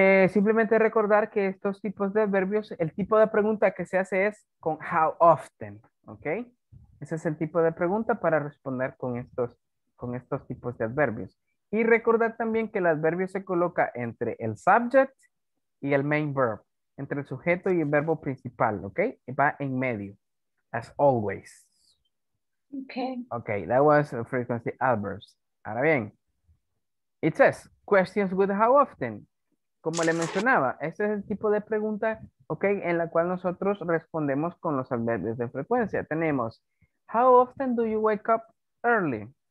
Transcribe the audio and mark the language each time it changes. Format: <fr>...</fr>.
<es>Simplemente recordar que estos tipos de adverbios, el tipo de pregunta que se hace es con how often, ¿ok? Ese es el tipo de pregunta para responder con estos tipos de adverbios. Y recordar también que el adverbio se coloca entre el subject y el main verb. Entre el sujeto y el verbo principal, ¿ok? Va en medio,</es> <en>as always. Okay. Okay, that was a frequency adverbs.</en> <es>Ahora bien,</es> <en>It says, questions with how often.</en> <es>Como le mencionaba, este es el tipo de pregunta, ok, en la cual nosotros respondemos con los adverbios de frecuencia. Tenemos,</es> <en>how often do you wake up early?</en>